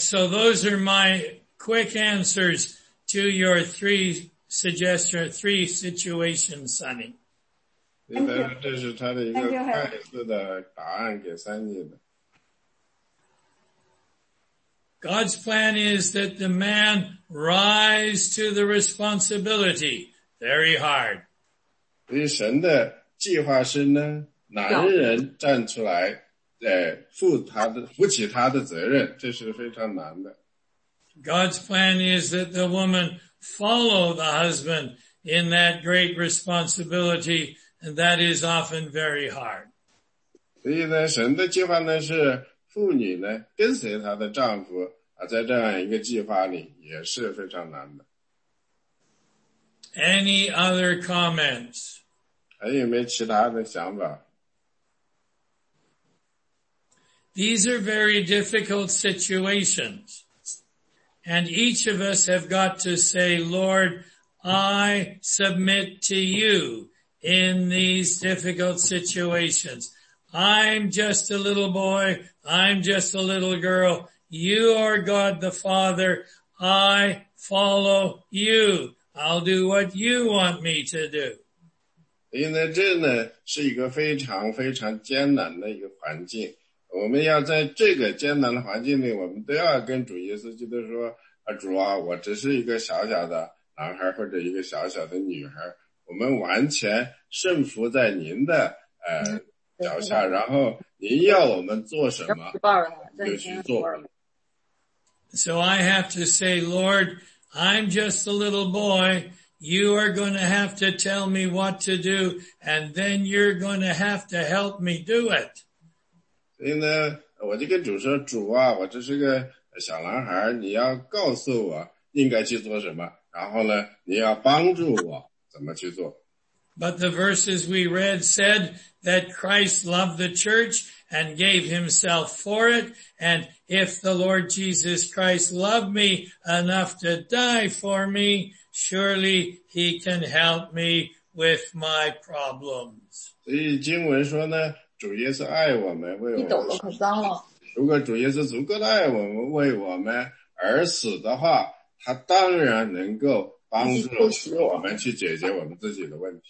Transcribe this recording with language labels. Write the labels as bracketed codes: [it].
[en] so those are my quick answers to your three situations, Sunny. [zh] 这是他的一个快速的答案给三姐的。 [en] God's plan is that the man rise to the responsibility very hard. [zh] 所以神的计划是呢，男人站出来负起他的责任，这是非常难的。 [en] God's plan is that the woman follow the husband in that great responsibility, and that is often very hard. [zh] 所以呢，神的计划呢是妇女呢跟随她的丈夫啊，在这样一个计划里也是非常难的。 [en] Any other comments? [zh] 还有没有其他的想法？ [en] These are very difficult situations. And each of us have got to say, Lord, I submit to you in these difficult situations. I'm just a little boy. I'm just a little girl. You are God the Father. I follow you. I'll do what you want me to do. [zh] 因为这呢是一个非常非常艰难的一个环境。我们要在这个艰难的环境里，我们都要跟主耶稣基督说：“啊，主啊，我只是一个小小的男孩或者一个小小的女孩，我们完全顺服在您的脚下，然后您要我们做什么就去做。” [en] So I have to say, Lord, I'm just a little boy. You are going to have to tell me what to do, and then you're going to have to help me do it. [zh] 所以呢，我就跟主说：“主啊，我这是个小男孩，你要告诉我应该去做什么，然后呢，你要帮助我怎么去做。” [en] But the verses we read said that Christ loved the church and gave himself for it. And if the Lord Jesus Christ loved me enough to die for me, surely he can help me with my problems. [zh] 所以经文说呢，主耶稣爱我们，为我们。你抖了，可脏了。如果主耶稣足够的爱我们，为我们而死的话，他当然能够帮助我们去解决我们自己的问题。